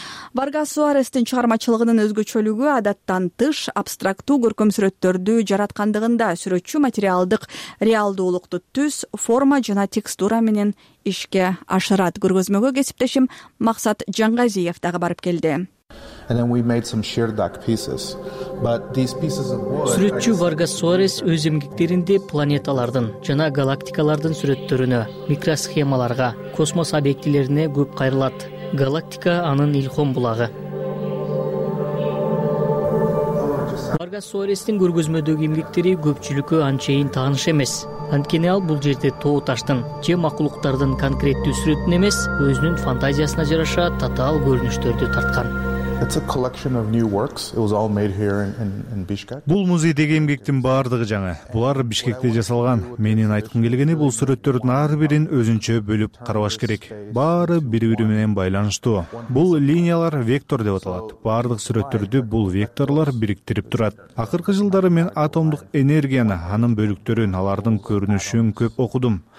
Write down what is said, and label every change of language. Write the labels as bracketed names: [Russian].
[Kyrgyz] Варгас Суарестин чыгармачылыгынын өзгөчөлүгү адаттан тыш абстрактуу көркөм сүрөттөрдү жараткандыгында. Сүрөтчү материалдык реалдуулукту түс, форма жана текстура менен ишке ашырат. Көргөзмөгө кесиптешим Максат Жангазиев дагы барып келди. [English] And then we made some Sherdak pieces. But these pieces of wood. [Kyrgyz] Сүрөтчү Варгас Суарес өз эмгектеринде планеталардын жана галактикалардын сүрөттөрүнө, микросхемаларга, космос объектилерине көп кайрылат. Галактика анын илхом булагы. Варгас Суарестин көргөзмөдөгү эмгектери көпчүлүккө анчейин тааныш эмес. Анткени ал бул жерде тоо таштын же макулуктардын конкреттүү сүрөтүн эмес, өзүнүн фантазиясына жараша татаал көрүнүштөрдү тарткан. [English] It's a collection of new works. It was all made here in Bishkek. [Kyrgyz] Бул музейдеги эмгектин баардыгы жаңы. Булар Бишкекте жасалган. Менин айткым келгени бул сүрөттөрдүн ар бирин өзүнчө бөлүп карабаш керек. Баары бири-бири менен байланыштуу. Бул линиялар вектор деп аталат. Баардык сүрөттөрдү бул векторлор бириктирип турат. Акыркы жылдары мен атомдук энергияны, анын бөлүктөрүн, алардын көрүнүшүн көп окудум.